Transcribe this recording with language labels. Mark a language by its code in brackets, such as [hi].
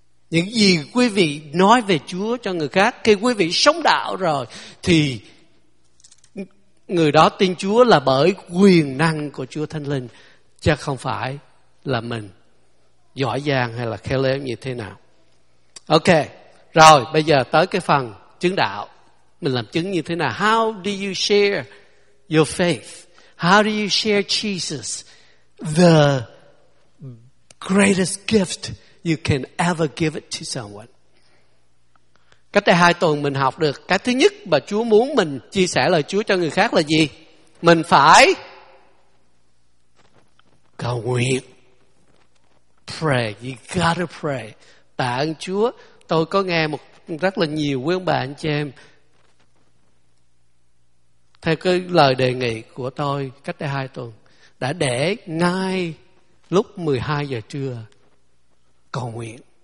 [vi] Những gì quý vị nói về Chúa cho người khác, khi quý vị sống đạo rồi thì người đó tin Chúa là bởi quyền năng của Chúa Thánh Linh, chứ không phải là mình giỏi giang hay là khéo léo như thế nào. Ok, rồi bây giờ tới cái phần chứng đạo. Mình làm chứng như thế nào? [en] How do you share your faith? How do you share Jesus, the greatest gift you can ever give it to someone? [vi] Cách đây 2 tuần mình học được cái thứ nhất mà Chúa muốn mình chia sẻ lời Chúa cho người khác là gì? Mình phải cầu nguyện. [en] Pray, you gotta pray. [vi] Tạ ơn Chúa. Tôi có nghe một rất là nhiều quý ông bà anh chị em, theo cái lời đề nghị của tôi cách đây 2 tuần, đã để ngay lúc 12 giờ trưa cầu nguyện.